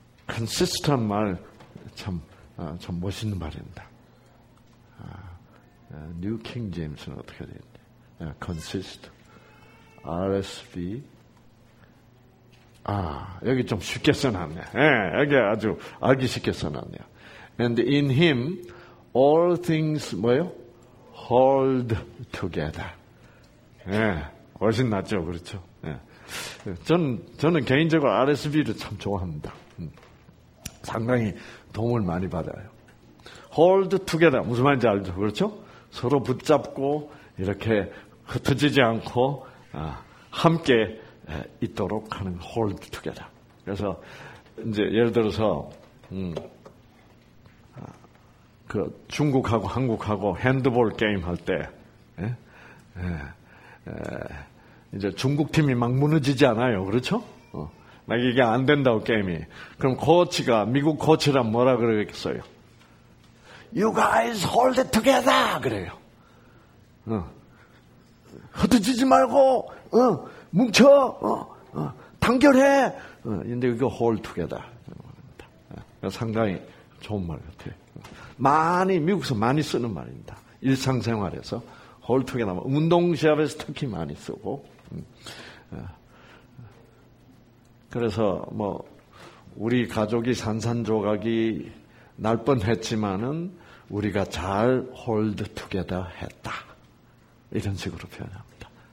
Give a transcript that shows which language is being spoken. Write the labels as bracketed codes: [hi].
[ko] consist 한 말 참 참 멋있는 말입니다. 아, 뉴 킹 제임스는 어떻게 되는지 예, consist RSV 아 여기 좀 쉽게 써놨네. 예, 여기 아주 알기 쉽게 써놨네요. [en] And in him all things [ko] 뭐요? [en] Hold together. [ko] 예, 훨씬 낫죠, 그렇죠? 예. 저는 개인적으로 RSV를 참 좋아합니다. 상당히 도움을 많이 받아요. [en] Hold together. [ko] 무슨 말인지 알죠, 그렇죠? 서로 붙잡고, 이렇게 흩어지지 않고, 함께 있도록 하는 [en] Hold together. [ko] 그래서, 이제 예를 들어서, 그 중국하고 한국하고 핸드볼 게임 할 때 이제 중국 팀이 막 무너지지 않아요, 그렇죠? 막 이게 안 된다고 게임이. 그럼 코치가 미국 코치랑 뭐라 그러겠어요? [en] You guys hold it together [ko] 그래요. 흩어지지 말고 뭉쳐 단결해. 근데 그게 [en] hold together. [ko] 상당히 좋은 말 같아요. 많이 미국에서 많이 쓰는 말입니다. 일상생활에서 홀트게 남아 운동 시합에서 특히 많이 쓰고 그래서 뭐 우리 가족이 산산조각이 날 뻔했지만은 우리가 잘 홀드 투게더 했다 이런 식으로 표현합니다.